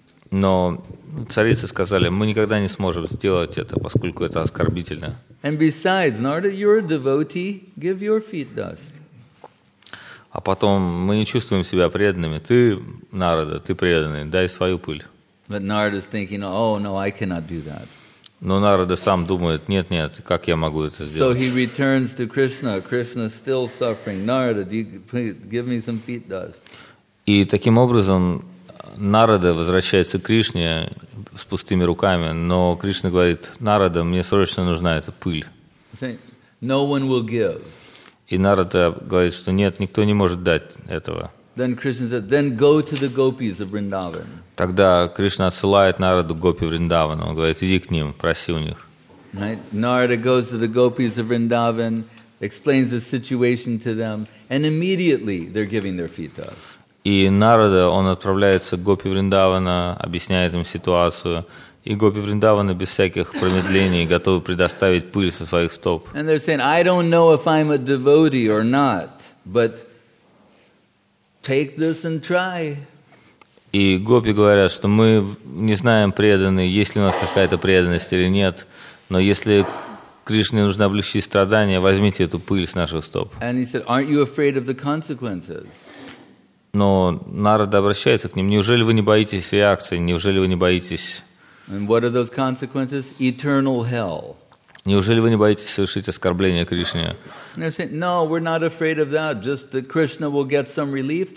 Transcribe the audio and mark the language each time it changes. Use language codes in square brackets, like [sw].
[ru] Но царицы сказали, мы никогда не сможем сделать это, поскольку это оскорбительно. [en] And besides, Narada, you're a devotee. Give your feet dust. [ru] А потом, мы не чувствуем себя преданными. Ты, Нарада, ты преданный, дай свою пыль. [en] But Narada's thinking, oh, no, I cannot do that. [ru] Но Нарада сам думает, нет, нет, как я могу это сделать? [en] So he returns to Krishna. Krishna still suffering. Narada, do you please give me some feet dust? [ru] И таким образом Нарада возвращается к Кришне с пустыми руками, но Кришна говорит: Нарада, мне срочно нужна эта пыль. [en] No one will give. [ru] И Нарада говорит, что нет, никто не может дать этого. [en] Then Krishna said, then go to the gopis of Vrindavan. [ru] Тогда Кришна отсылает Нараду к гопи Вриндаван. Он говорит, иди к ним, проси у них. [en] Right? Narada goes to the gopis of Vrindavan, explains the situation to them, and immediately they're giving their feet to us. [ru] И Нарада, он отправляется к гопи Вриндавана, объясняет им ситуацию. И гопи Вриндавана без всяких промедлений готовы предоставить пыль со своих стоп. [en] And they're saying, I don't know if I'm a devotee or not, but take this and try. [ru] И гопи говорят, что мы не знаем, преданные, есть ли у нас какая-то преданность или нет, но если Кришне нужно облегчить страдания, возьмите эту пыль с наших стоп. [en] And he said, aren't you afraid of the consequences? [ru] Но Нарада обращается к ним. Неужели вы не боитесь реакции? Неужели вы не боитесь? Неужели вы не боитесь совершить оскорбление Кришне? [en] No, we're not afraid of that. Just that Krishna will get some relief.